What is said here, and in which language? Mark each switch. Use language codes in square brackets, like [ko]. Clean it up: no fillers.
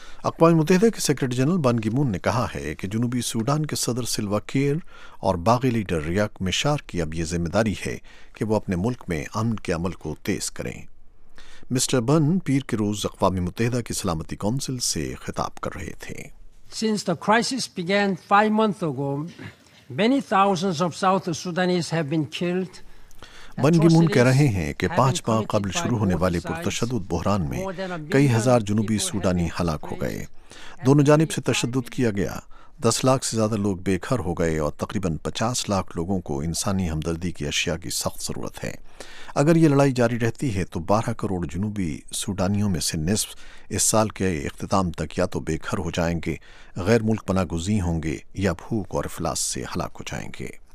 [ur] اقوام متحدہ کے سیکرٹری جنرل بان کی مون نے کہا ہے کہ جنوبی سوڈان کے صدر سلوا کیر اور باغی لیڈر ریاک مشار کی اب یہ ذمہ داری ہے کہ وہ اپنے ملک میں امن کے عمل کو تیز کریں۔ مسٹر بن پیر کے روز اقوام متحدہ کی سلامتی کونسل سے خطاب کر رہے تھے۔ [en] Since the crisis began 5 months ago, many thousands of South Sudanese have been killed. [ur] بن کی مون کہہ رہے ہیں کہ 5 ماہ قبل شروع ہونے والے پرتشدد بحران میں کئی ہزار جنوبی سوڈانی ہلاک ہو گئے۔ دونوں جانب سے تشدد کیا گیا، 10 لاکھ سے زیادہ لوگ بے گھر ہو گئے اور تقریباً 50 لاکھ لوگوں کو انسانی ہمدردی کی اشیاء کی سخت ضرورت ہے۔ اگر یہ لڑائی جاری رہتی ہے تو 12 کروڑ جنوبی سوڈانیوں میں سے نصف اس سال کے اختتام تک یا تو بے گھر ہو جائیں گے، غیر ملک پناہ گزین ہوں گے، یا بھوک اور افلاس سے ہلاک ہو جائیں گے۔